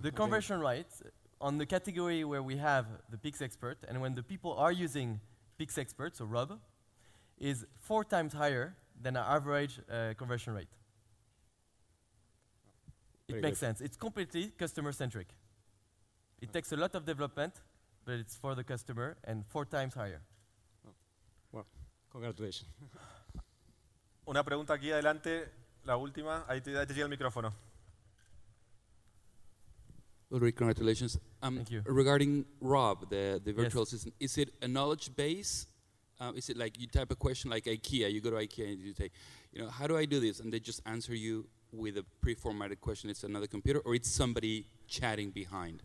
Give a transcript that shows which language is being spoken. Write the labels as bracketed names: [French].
[English] The conversion rate on the category where we have the Pix Expert, and when the people are using Pix Expert, so Rob, is 4 times higher than our average conversion rate. It makes sense. It's completely customer-centric. It takes a lot of development, but it's for the customer and 4 times higher. Well, congratulations. [Spanish] Una pregunta aquí adelante, la última. Ahí te llega el micrófono. [English] Ulrich, congratulations. Thank you. Regarding Rob, the virtual assistant, is it a knowledge base? Is it like you type a question like IKEA? You go to IKEA and you say, you know, how do I do this? And they just answer you with a pre-formatted question, it's another computer, or it's somebody chatting behind?